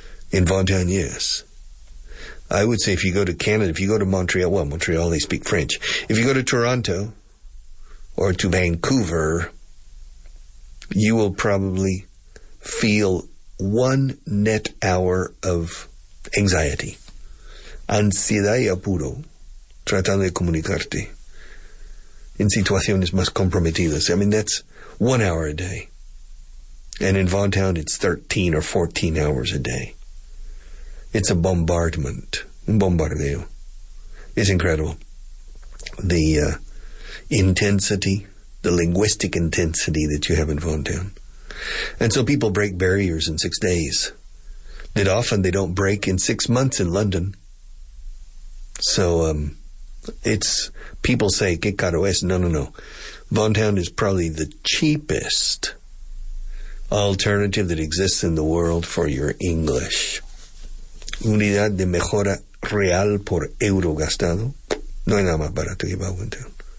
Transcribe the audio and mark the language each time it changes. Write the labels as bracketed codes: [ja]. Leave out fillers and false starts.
[en] In Vaughan Town, yes. I would say if you go to Canada, if you go to Montreal, well, Montreal, they speak French. If you go to Toronto or to Vancouver, you will probably feel one net hour of anxiety. [es] Ansiedad y apuro, tratando de comunicarte en situaciones más comprometidas. [en] I mean, that's 1 hour a day. And in Vaughan Town, it's 13 or 14 hours a day. It's a bombardment. [es] Un bombardeo. [en] It's incredible. The intensity, the linguistic intensity that you have in Vaughan Town. And so people break barriers in 6 days that often they don't break in 6 months in London. So people say, [es] ¿qué caro es? No, no, no. [en] Vaughan Town is probably the cheapest alternative that exists in the world for your English. [es] Unidad de mejora real por euro gastado. No hay nada más barato que Vaughan Town.